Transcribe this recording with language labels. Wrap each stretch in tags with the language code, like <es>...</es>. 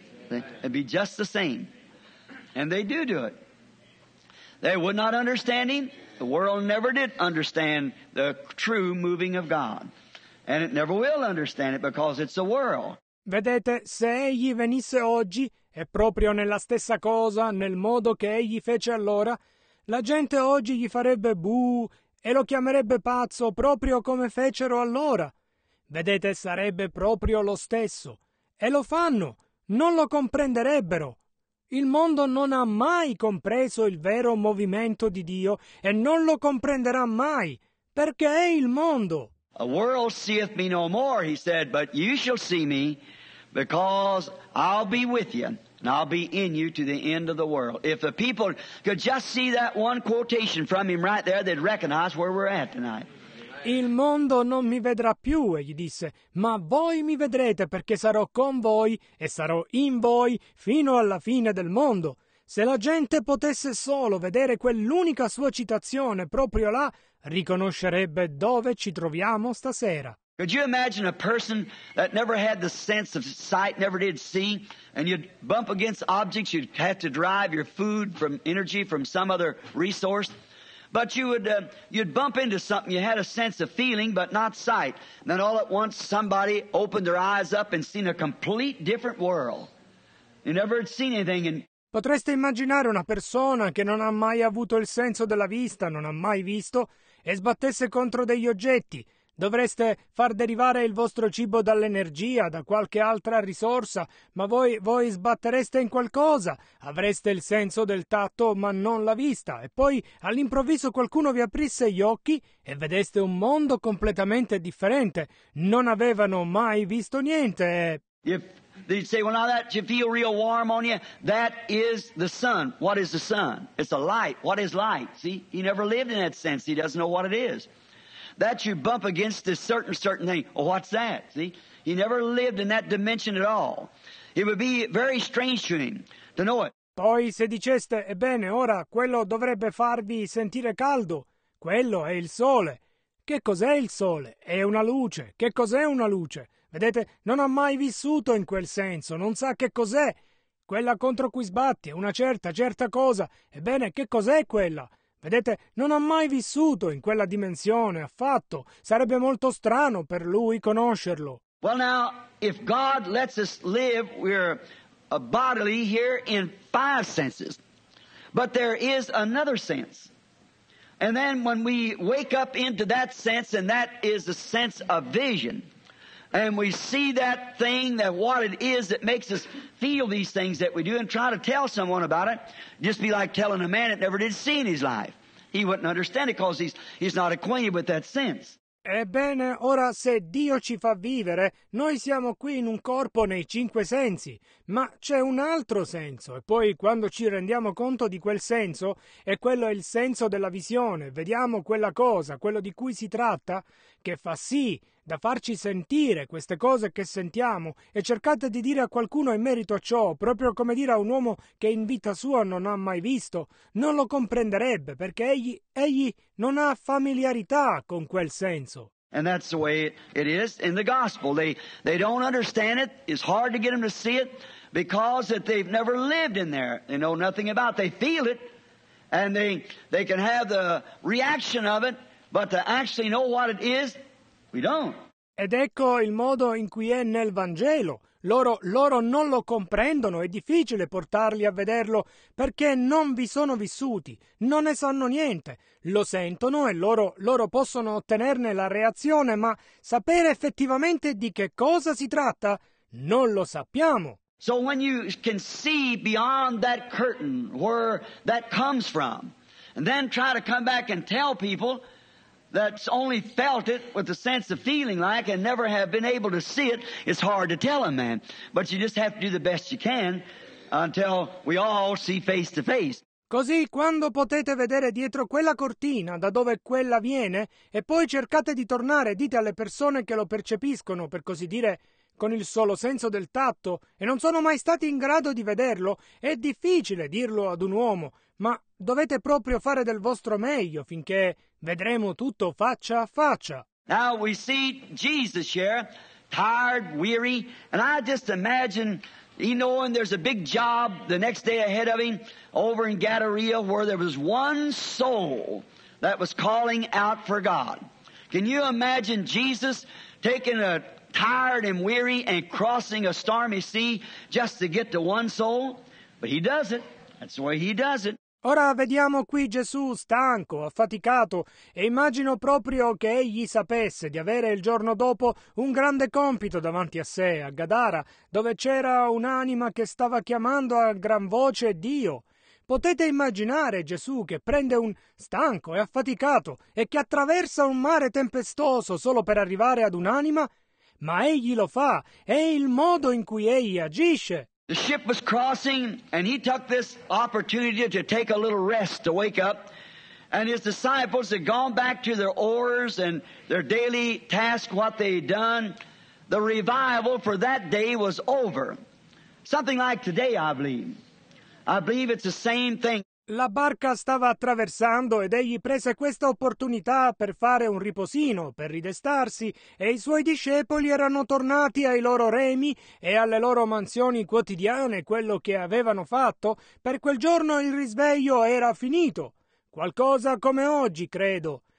<en>It'd be just the same. And they do it. They would not understand him. The world never did understand the true moving of God. And it never will understand it because it's a world.</en> <it>Vedete, se egli venisse oggi, e proprio nella stessa cosa, nel modo che egli fece allora, la gente oggi gli farebbe buu, e lo chiamerebbe pazzo proprio come fecero allora. Vedete, sarebbe proprio lo stesso. E lo fanno. Non lo comprenderebbero. Il mondo non ha mai compreso il vero movimento di Dio e non lo comprenderà mai. Perché è il mondo.</it> <en>A world seeth me no more, he said, but you shall see me because I'll be with you and I'll be in you to the end of the world. If the people could just see that one quotation from him right there, they'd recognize where we're at tonight.</en> <it>Il mondo non mi vedrà più, egli disse, ma voi mi vedrete perché sarò con voi e sarò in voi fino alla fine del mondo. Se la gente potesse solo vedere quell'unica sua citazione proprio là, riconoscerebbe dove ci troviamo stasera.</it> <en>Could you imagine a person that never had the sense of sight, never did see, and you'd bump against objects, you'd have to drive your food from energy from some other resource, but you'd bump into something, you had a sense of feeling but not sight, and then all at once somebody opened their eyes up and seen a complete different world. You never had seen anything in.</en> <it>Potreste immaginare una persona che non ha mai avuto il senso della vista, non ha mai visto, e sbattesse contro degli oggetti, Dovreste far derivare il vostro cibo dall'energia, da qualche altra risorsa, ma voi sbattereste in qualcosa. Avreste il senso del tatto, ma non la vista. E poi all'improvviso qualcuno vi aprisse gli occhi e vedeste un mondo completamente differente. Non avevano mai visto niente.</it> <en>They say, well, now that you feel real warm on you, that is the sun. What is the sun? It's a light. What is light? See, he never lived in that sense. He doesn't know what it is. That you bump against a certain thing. Well, what's that? See, he never lived in that dimension at all. It would be very strange to him to know it.</en> <it>Poi se diceste, ebbene, ora quello dovrebbe farvi sentire caldo. Quello è il sole. Che cos'è il sole? È una luce. Che cos'è una luce? Vedete, non ha mai vissuto in quel senso, non sa che cos'è. Quella contro cui sbatti è una certa cosa. Ebbene, che cos'è quella? Vedete, non ha mai vissuto in quella dimensione, affatto. Sarebbe molto strano per lui conoscerlo.</it> <en>Well now, if God lets us live, we're a bodily here in five senses. But there is another sense. And then when we wake up into that sense, and that is the sense of vision, and we see that thing, that what it is that makes us feel these things that we do, and try to tell someone about it, just be like telling a man that never did see in his life. He wouldn't understand it because he's not acquainted with that sense.</en> <it>Ebbene, ora se Dio ci fa vivere, noi siamo qui in un corpo nei cinque sensi, ma c'è un altro senso, e poi quando ci rendiamo conto di quel senso, e quello è il senso della visione, vediamo quella cosa, quello di cui si tratta, che fa sì da farci sentire queste cose che sentiamo, e cercate di dire a qualcuno in merito a ciò, proprio come dire a un uomo che in vita sua non ha mai visto, non lo comprenderebbe, perché egli non ha familiarità con quel senso.</it> <en>And that's the way it is in the gospel. They don't understand it. It's hard to get them to see it because that they've never lived in there. They know nothing about it. They feel it, and they can have the reaction of it, but to actually know what it is, we don't.</en> <it>Ed ecco il modo in cui è nel Vangelo. Loro non lo comprendono, è difficile portarli a vederlo, perché non vi sono vissuti, non ne sanno niente. Lo sentono e loro possono ottenerne la reazione, ma sapere effettivamente di che cosa si tratta, non lo sappiamo.</it> <en>So when you can see beyond that curtain where that comes from, and then try to come back and tell people that's only felt it with the sense of feeling like and never have been able to see it, it's hard to tell a man. But you just have to do the best you can until we all see face to face.</en> <it>Così, quando potete vedere dietro quella cortina da dove quella viene, e poi cercate di tornare, dite alle persone che lo percepiscono, per così dire, con il solo senso del tatto, e non sono mai stati in grado di vederlo, è difficile dirlo ad un uomo, ma dovete proprio fare del vostro meglio finché vedremo tutto faccia a faccia.</it> <en>Now we see Jesus here, tired, weary, and I just imagine, you know, and there's a big job the next day ahead of him over in Gadara where there was one soul that was calling out for God. Can you imagine Jesus taking a tired and weary and crossing a stormy sea just to get to one soul? But he does it. That's the way he does it.</en> <it>Ora vediamo qui Gesù stanco, affaticato, e immagino proprio che egli sapesse di avere il giorno dopo un grande compito davanti a sé, a Gadara, dove c'era un'anima che stava chiamando a gran voce Dio. Potete immaginare Gesù che prende un stanco e affaticato e che attraversa un mare tempestoso solo per arrivare ad un'anima? Ma egli lo fa, è il modo in cui egli agisce.</it> <en>The ship was crossing, and he took this opportunity to take a little rest, to wake up. And his disciples had gone back to their oars and their daily task, what they'd done. The revival for that day was over. Something like today, I believe. I believe it's the same thing.</en> <it>La barca stava attraversando ed egli prese questa opportunità per fare un riposino, per ridestarsi, e i suoi discepoli erano tornati ai loro remi e alle loro mansioni quotidiane, quello che avevano fatto. Per quel giorno il risveglio era finito. Qualcosa come oggi, credo.</it>